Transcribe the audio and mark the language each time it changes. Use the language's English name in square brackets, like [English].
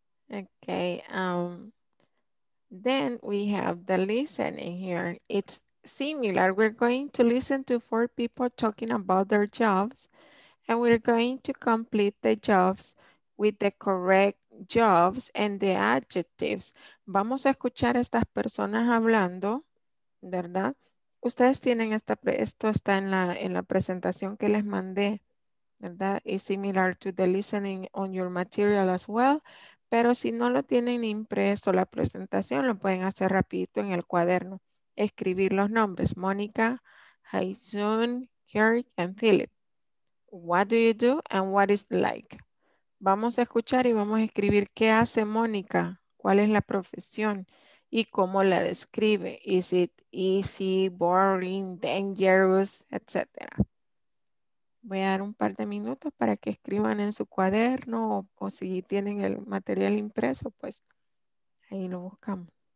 [English] Okay. Then we have the listening here. It's similar. We're going to listen to four people talking about their jobs, and we're going to complete the jobs with the correct jobs and the adjectives. [Spanish] Vamos a escuchar a estas personas hablando, ¿verdad? Ustedes tienen esta, esto está en la presentación que les mandé, ¿verdad? [English] It's similar to the listening on your material as well. [Spanish] Pero si no lo tienen impreso la presentación, lo pueden hacer rapidito en el cuaderno. Escribir los nombres. Mónica, Haizun, Kirk, and Philip. [English] What do you do and what is like? [Spanish] Vamos a escuchar y vamos a escribir qué hace Mónica. ¿Cuál es la profesión? ¿Y cómo la describe? [English] Is it easy, boring, dangerous, etc.? [Spanish] Voy a dar un par de minutos para que escriban en su cuaderno o si tienen el material impreso, pues ahí lo buscamos.